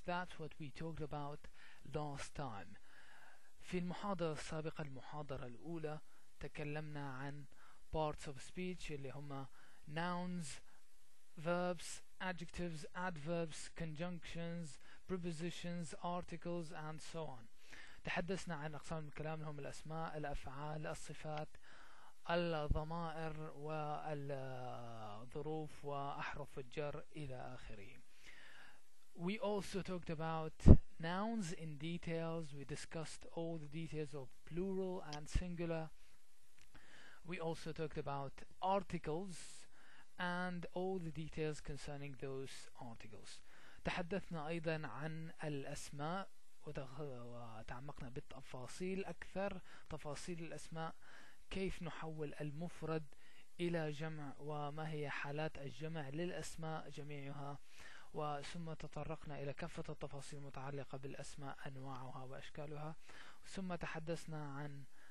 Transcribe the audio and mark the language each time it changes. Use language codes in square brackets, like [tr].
[en] That's what we talked about last time. [ar] في المحاضرة السابقة المحاضرة الأولى تكلمنا عن [en] parts of speech اللي هما nouns, verbs, adjectives, adverbs, conjunctions, prepositions, articles, and so on. [ar] تحدثنا عن أقسام الكلام اللي هم الأسماء, الأفعال, الصفات, الضمائر والظروف وأحرف الجر إلى آخره. [en] We also talked about nouns in details. We discussed all the details of plural and singular. We also talked about articles and all the details concerning those articles. [ar] تحدثنا أيضا عن الأسماء وتعمقنا بالتفاصيل أكثر, تفاصيل الأسماء, كيف نحول المفرد إلى جمع وما هي حالات الجمع للأسماء جميعها, وثم تطرقنا إلى كافة التفاصيل المتعلقة بالأسماء أنواعها وأشكالها, ثم تحدثنا عن